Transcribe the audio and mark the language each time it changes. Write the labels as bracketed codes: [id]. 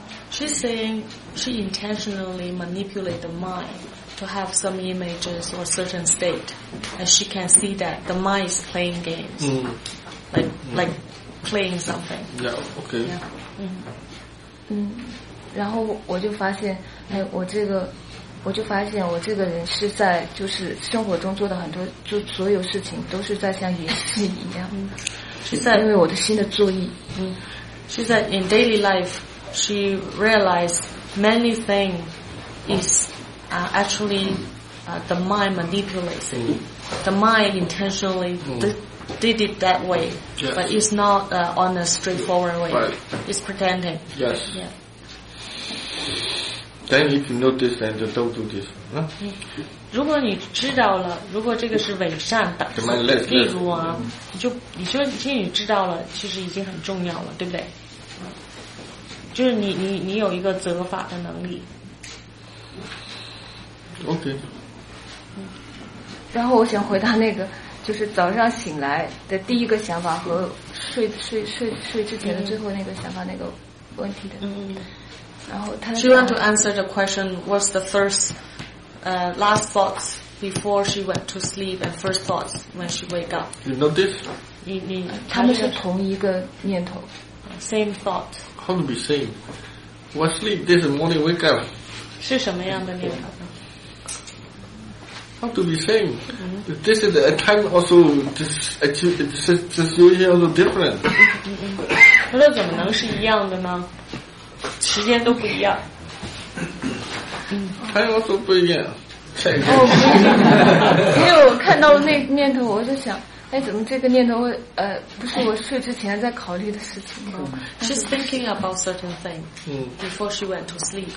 [en] She's saying she intentionally manipulate the mind to have some images or certain state, and she can see that the mind is playing games, like playing something. Yeah. Okay. Yeah. [zh] 然后我就发现，哎，我这个人是在就是生活中做的很多，就所有事情都是在像演戏一样。是在因为我的新的作意。 [en] She said in daily life, she realized many things is actually the mind manipulates. The mind intentionally did it that way, but it's not on a straightforward way. Right. It's pretending. Yes. Yeah. Then if you notice, then don't do this. [zh] 如果你知道了，如果这个是伪善的，例如啊，你就其实你知道了，其实已经很重要了，对不对？就是你有一个责法的能力。 [en] OK. [zh] 然后我想回答那个，就是早上醒来的第一个想法和睡之前的最后那个想法那个问题的。嗯。然后他。 [en] She wanted to answer the question, what's the first, last thoughts before she went to sleep and first thoughts when she wake up? You notice? [zh] 你他们是同一个念头。 [en] Same thought. How to be same? What sleep this morning wake up? [zh] 是什么样的念头？ [en] How to be same?、Mm-hmm. This is a time also, this situation also different. [zh] 那怎么能是一样的呢？时间都不一样。 [en] Time also [zh] 不一样。哦，因为我看到那念头，我就想，哎，怎么这个念头会不是我睡之前在考虑的事情吗、 [en] She's thinking about certain thing before she went to sleep.